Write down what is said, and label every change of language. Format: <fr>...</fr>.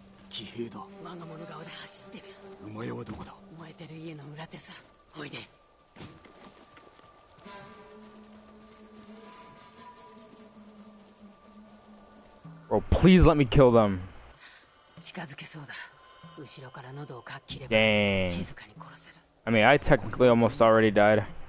<ja>騎兵だ。我が物顔で走ってる。馬屋はどこだ。燃えてる家の裏手さ。おいで。</ja> <en>Oh, please let me kill them.</en> <ja>近づけそうだ。後ろから喉をかっ切れば静かに殺せる。</ja> <en>I mean, I technically almost already died.</en>